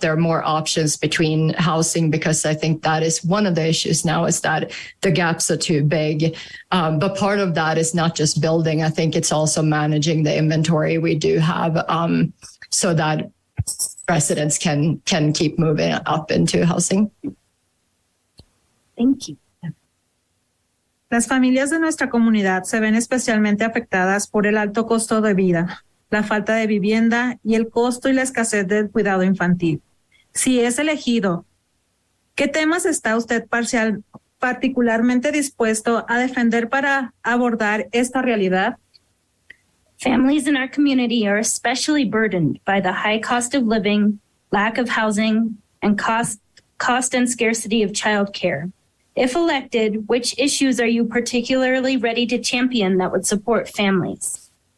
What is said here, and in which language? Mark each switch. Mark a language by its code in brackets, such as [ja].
[en] There are more options between housing, because I think that is one of the issues now, is that the gaps are too big. But part of that is not just building. I think it's also managing the inventory we do have so that residents can keep moving up into housing. Thank you. [es] Las familias de nuestra comunidad se ven especialmente afectadas por el alto costo de vida, la falta de vivienda y el costo y la escasez del cuidado infantil. Si es elegido, ¿qué temas está usted particularmente dispuesto a defender para abordar esta realidad? [en] Families in our community are especially burdened by the high cost of living, lack of housing, and cost and scarcity of child care. If elected, which issues are you particularly ready to champion that would support families?